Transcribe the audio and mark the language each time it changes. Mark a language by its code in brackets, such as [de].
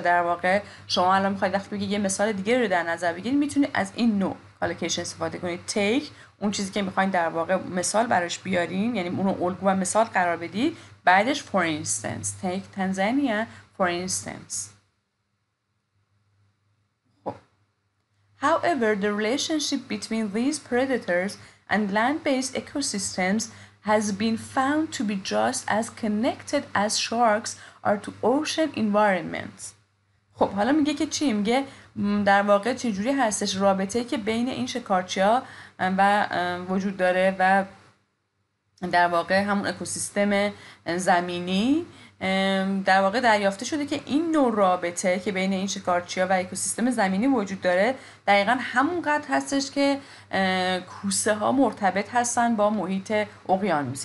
[fa] در واقع شما الان میخواید وقتی بگید یه مثال دیگه رو در نظر بگیرید، میتونید از این نوع کالوکیشن استفاده کنید. take اون چیزی که میخواید در واقع مثال براش بیاریم، یعنی اون رو الگو و مثال قرار بدی، بعدش [en] for instance، take Tanzania for instance. However, the relationship between these predators and land-based ecosystems has been found to be just as connected as sharks are to ocean environments. [fa] خب حالا میگه که چی؟ میگه در واقع چجوری هستش رابطه که بین این شکارچی ها و وجود داره و در واقع همون اکوسیستم زمینی. در واقع دریافته شده که این نوع رابطه که بین این شکارچی‌ها و اکوسیستم زمینی وجود داره دقیقا همونقدر هستش که کوسه ها مرتبط هستن با محیط اقیانوس.